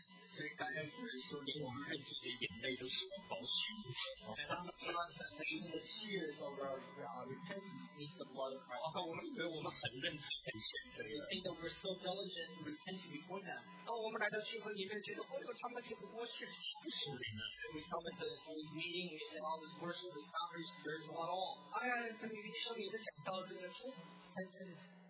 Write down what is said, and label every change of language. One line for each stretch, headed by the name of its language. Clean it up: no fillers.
Chinese: 所以感恩主人说，连我们认罪的眼泪都是我保守的。我们以为我们很认罪很虔诚。
English: We think that we're so diligent to repent before them.
Chinese: 当我们来到聚会里面，觉得哦哟，他们只不过是不属灵的。
English: We come into this meeting, we say, "Oh, this worship is not very spiritual at all."
Chinese: 哎呀，这弟兄也在讲到这个，真的。